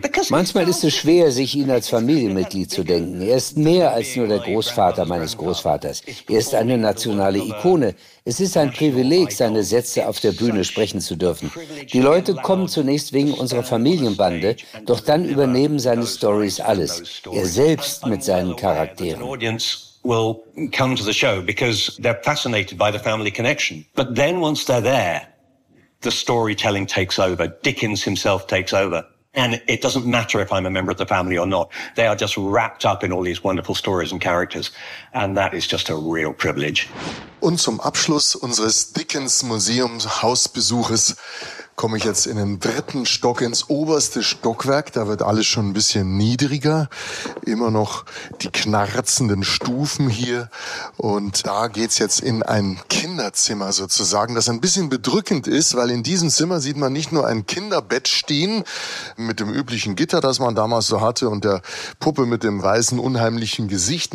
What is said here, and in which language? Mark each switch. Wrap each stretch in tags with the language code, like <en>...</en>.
<de>Manchmal ist es schwer, sich ihn als Familienmitglied zu denken. Er ist mehr als nur der Großvater meines Großvaters. Er ist eine nationale Ikone. Es ist ein Privileg, seine Sätze auf der Bühne sprechen zu dürfen. Die Leute kommen zunächst wegen unserer Familienbande, doch dann übernehmen seine Stories alles. Er selbst mit seinen Charakteren.</de> <en>That an audience will come to the show because they're fascinated by the family connection. But then once they're there, the storytelling takes over. Dickens himself takes over. And it doesn't matter if I'm a member of the family or not. They are just wrapped up in all these wonderful stories and characters. And that is just a real privilege.</en> <de>Und zum Abschluss unseres Dickens Museum Hausbesuches komme ich jetzt in den 3. Stock, ins oberste Stockwerk. Da wird alles schon ein bisschen niedriger. Immer noch die knarzenden Stufen hier. Und da geht's jetzt in ein Kinderzimmer sozusagen, das ein bisschen bedrückend ist, weil in diesem Zimmer sieht man nicht nur ein Kinderbett stehen mit dem üblichen Gitter, das man damals so hatte, und der Puppe mit dem weißen, unheimlichen Gesicht.</de>